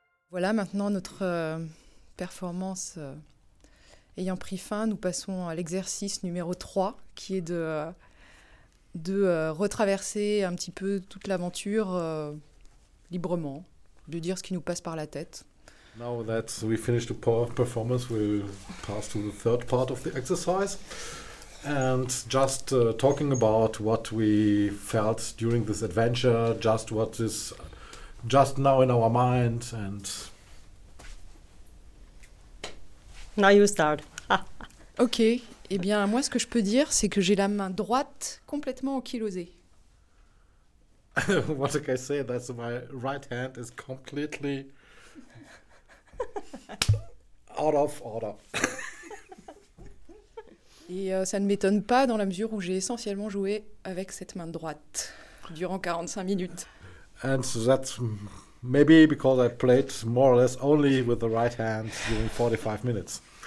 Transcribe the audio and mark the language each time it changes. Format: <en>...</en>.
<fr>Voilà, maintenant notre performance ayant pris fin, nous passons à l'exercice numéro 3 qui est de retraverser un petit peu toute l'aventure librement, de dire ce qui nous passe par la tête.</fr> <en>Now that we finished the performance, we pass to the third part of the exercise. And just talking about what we felt during this adventure, just what is just now in our mind. And now you start.</en> <fr>Ok, eh bien moi ce que je peux dire, c'est que j'ai la main droite complètement ankylosée.</fr> <en>What can I say? That's my right hand is completely out of order.</en> <fr>Et ça ne m'étonne pas dans la mesure où j'ai essentiellement joué avec cette main droite durant 45 minutes.</fr> <en>And so that's maybe because I played more or less only with the right hand during 45 minutes.</en>